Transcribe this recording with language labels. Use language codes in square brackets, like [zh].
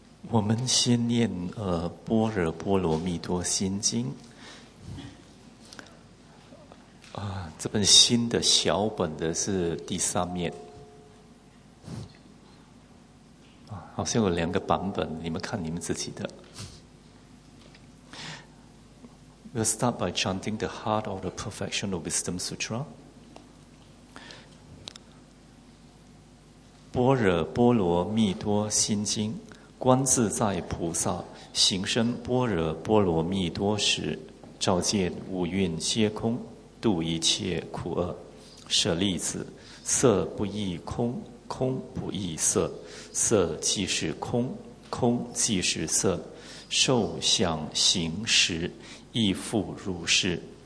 [zh] 我们先念《般若波罗蜜多心经》这本新的小本的是第三面好像有两个版本，你们看你们自己的。 [en] We'll start by chanting the heart of the Perfection of Wisdom Sutra. [zh] 般若波罗蜜多心经，观自在菩萨行深般若波罗蜜多时，照见五蕴皆空，度一切苦厄。舍利子，色不异空，空不异色，色即是空，空即是色，受想行识亦复如是。